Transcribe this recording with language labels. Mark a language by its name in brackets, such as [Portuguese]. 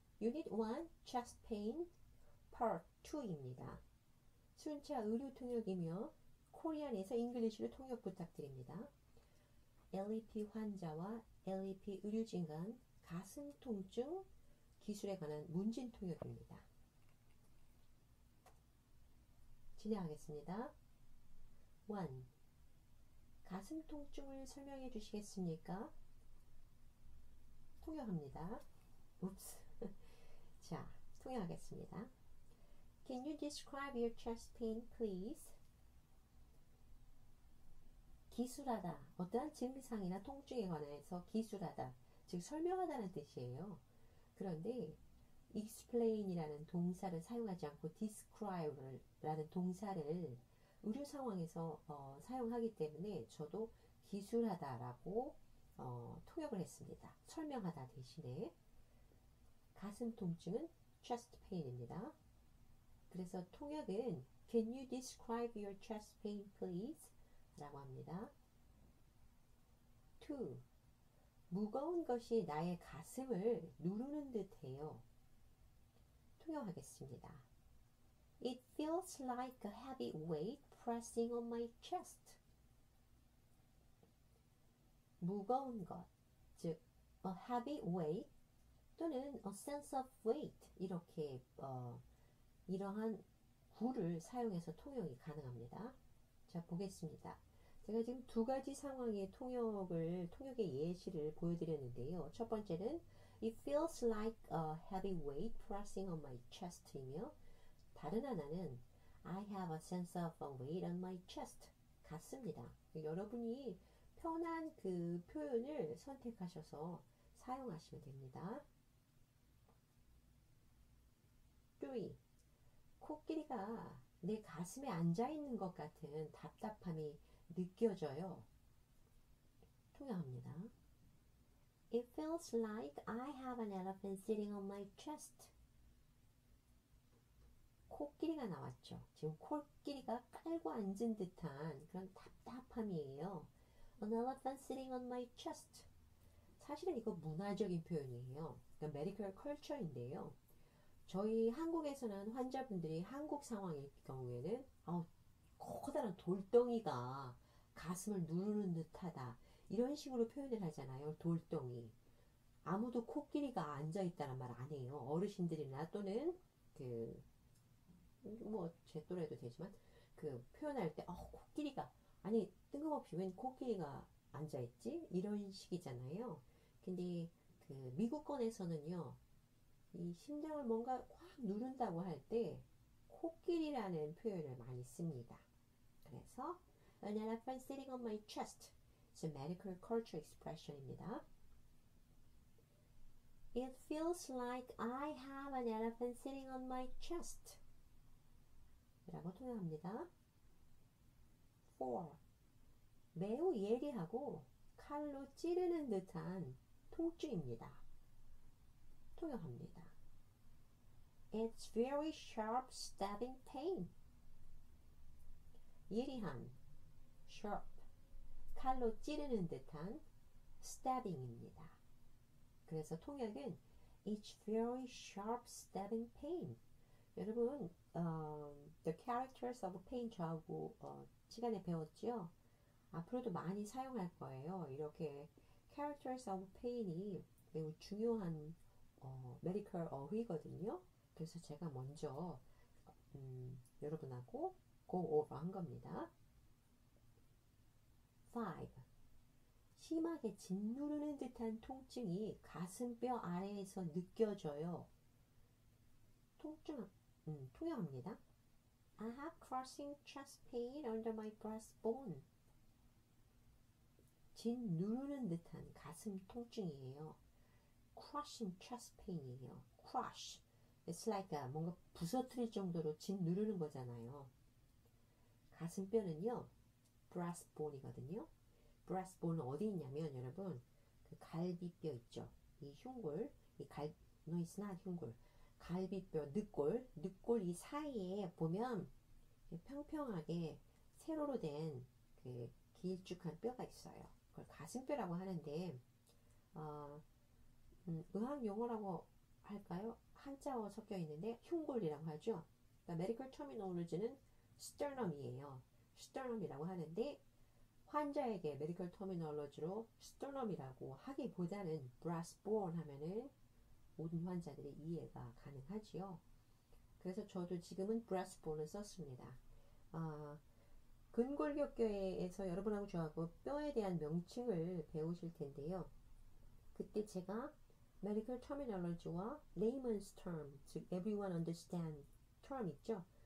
[English] Unit 1, Chest Pain, Part 2입니다. [Korean] 순차 의료통역이며 코리안에서 잉글리시로 통역 부탁드립니다. LEP 환자와 LEP 의료진 간 가슴 통증 기술에 관한 문진 통역입니다. 진행하겠습니다. 1. 가슴 통증을 설명해 주시겠습니까? 통역합니다. 웁스. 자, 통역하겠습니다. [English] Can you describe your chest pain, please? [Korean] 기술하다. 어떠한 증상이나 통증에 관해서 기술하다. 즉, 설명하다는 뜻이에요. 그런데 explain이라는 동사를 사용하지 않고 describe라는 동사를 의료 상황에서 사용하기 때문에 저도 기술하다라고 통역을 했습니다. 설명하다 대신에 가슴 통증은 chest pain입니다. 그래서 통역은 [English] Can you describe your chest pain, please? [Korean] 라고 합니다. 2. 무거운 것이 나의 가슴을 누르는 듯해요. 통역하겠습니다. [English] It feels like a heavy weight pressing on my chest. [Korean] 무거운 것, 즉 [English] a heavy weight [Korean] 또는 [English] a sense of weight [Korean] 이렇게 이러한 구를 사용해서 통역이 가능합니다. 자, 보겠습니다. 제가 지금 두 가지 상황의 통역의 예시를 보여드렸는데요. 첫 번째는 [English] It feels like a heavy weight pressing on my chest [Korean] 이며 다른 하나는 [English] I have a sense of a weight on my chest [Korean] 같습니다. 여러분이 편한 그 표현을 선택하셔서 사용하시면 됩니다. 3. 코끼리가 내 가슴에 앉아 있는 것 같은 답답함이 느껴져요. 통역합니다. [English] It feels like I have an elephant sitting on my chest. [Korean] 코끼리가 나왔죠. 지금 코끼리가 깔고 앉은 듯한 그런 답답함이에요. [English] An elephant sitting on my chest. [Korean] 사실은 이거 문화적인 표현이에요. 그러니까 메디컬 컬처인데요. 저희 한국에서는 환자분들이 한국 상황일 경우에는 커다란 돌덩이가 가슴을 누르는 듯하다 이런 식으로 표현을 하잖아요. 돌덩이. 아무도 코끼리가 앉아 있다는 말안 해요. 어르신들이나 또는 그뭐제 또래도 되지만 그 표현할 때 코끼리가 아니 뜬금없이 웬 코끼리가 앉아있지? 이런 식이잖아요. 근데 그 미국권에서는요, 이 심장을 뭔가 꽉 누른다고 할때 코끼리라는 표현을 많이 씁니다. 그래서 [English] An elephant sitting on my chest is a medical culture expression입니다. It feels like I have an elephant sitting on my chest. [Korean] 라고 통역합니다. 4. 매우 예리하고 칼로 찌르는 듯한 통증입니다. 통역합니다. [English] It's very sharp stabbing pain. [Korean] 예리한, sharp, 칼로 찌르는 듯한 stabbing입니다. 그래서 통역은 [English] It's very sharp stabbing pain. [Korean] 여러분, [English] the characters of pain [Korean] 저하고 시간에 배웠죠? 앞으로도 많이 사용할 거예요. 이렇게 characters of pain이 매우 중요한 메디컬 어휘거든요. 그래서 제가 먼저 여러분하고 [English] go over [Korean] 한 겁니다. 5. 심하게 짓누르는 듯한 통증이 가슴뼈 아래에서 느껴져요. 통증, 통역합니다. [English] I have crushing chest pain under my breast bone. [Korean] 진 누르는 듯한 가슴 통증이에요. [English] Crushing chest pain이에요. Crush. It's like [Korean] 뭔가 부서뜨릴 정도로 진 누르는 거잖아요. 가슴뼈는요, breast bone이거든요. Breast bone은 어디 있냐면 여러분, 그 갈비뼈 있죠. 이 흉골, 이 갈, [English] no, it's not [Korean] 흉골. 갈비뼈, 늑골, 늑골 이 사이에 보면 평평하게 세로로 된그 길쭉한 뼈가 있어요. 그걸 가슴뼈라고 하는데, 의학 용어라고 할까요? 한자어 섞여 있는데 흉골이라고 하죠. 그러니까 메디컬 터미널로지는 스터넘이에요. 스터넘이라고 하는데 환자에게 메디컬 터미널로지로 스터넘이라고 하기보다는 브라스 본 하면은 모든 환자들이 이해가 가능하지요. 그래서 저도 지금은 브라스 본을 썼습니다. 근골격계에서 여러분하고 저하고 뼈에 대한 명칭을 배우실 텐데요. 그때 제가 [English] medical terminology와 layman's term, 즉 everyone understand term 있죠?